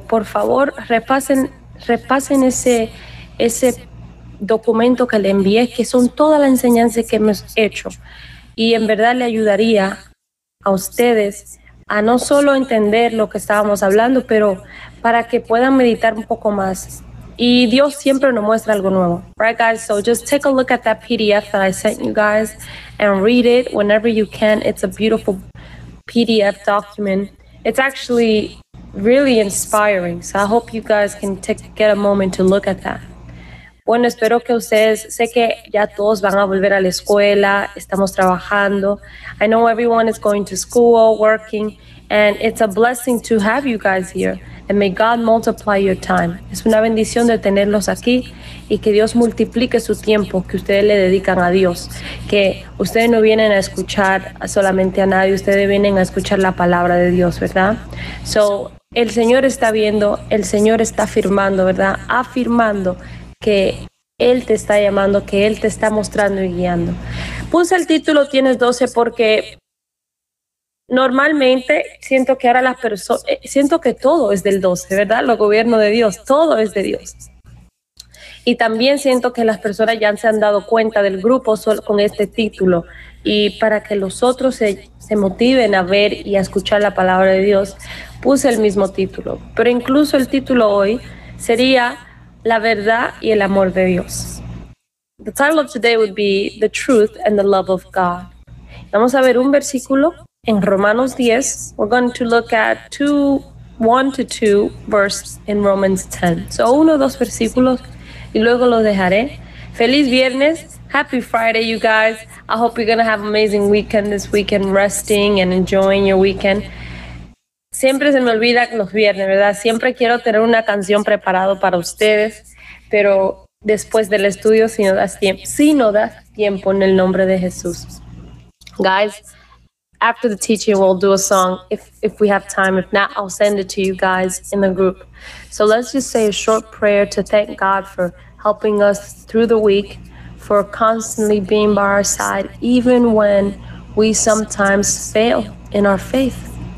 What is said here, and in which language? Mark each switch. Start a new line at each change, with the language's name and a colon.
Spanish: Por favor, repasen ese documento que le envié, que son todas las enseñanzas que hemos hecho. Y en verdad le ayudaría a ustedes a no solo entender lo que estábamos hablando, pero para que puedan meditar un poco más. Y Dios siempre nos muestra algo nuevo.
English: Right, guys? So just take a look at that PDF that I sent you guys and read it whenever you can. It's a beautiful PDF document. It's actually really inspiring. So I hope you guys can get a moment to look at that.
Spanish: Bueno, espero que ustedes, sé que ya todos van a volver a la escuela, estamos trabajando.
English: I know everyone is going to school, working, and it's a blessing to have you guys here. And may God multiply your time.
Spanish: Es una bendición de tenerlos aquí y que Dios multiplique su tiempo que ustedes le dedican a Dios. Que ustedes no vienen a escuchar solamente a nadie, ustedes vienen a escuchar la palabra de Dios, ¿verdad? So, el Señor está viendo, el Señor está afirmando, ¿verdad? Afirmando que Él te está llamando, que Él te está mostrando y guiando. Puse el título Tienes 12 porque normalmente siento que ahora las personas, siento que todo es del 12, ¿verdad? Lo gobierno de Dios, todo es de Dios. Y también siento que las personas ya se han dado cuenta del grupo solo con este título. Y para que los otros se motiven a ver y a escuchar la palabra de Dios, puse el mismo título. Pero incluso el título hoy sería La verdad y el amor de Dios.
English: The title of today would be The Truth and the Love of God.
Spanish: Vamos a ver un versículo en Romanos 10.
English: We're going to look at 1 to 2 verses in Romans 10.
Spanish: So, 1 o 2 versículos y luego lo dejaré. Feliz viernes.
English: Happy Friday, you guys. I hope you're going to have an amazing weekend this weekend, resting and enjoying your weekend.
Spanish: Siempre se me olvida los viernes, ¿verdad? Siempre quiero tener una canción preparada para ustedes, pero después del estudio, si no das tiempo en el nombre de Jesús.
English: Guys, after the teaching, we'll do a song if we have time. If not, I'll send it to you guys in the group. So let's just say a short prayer to thank God for helping us through the week, for constantly being by our side, even when we sometimes fail in our faith.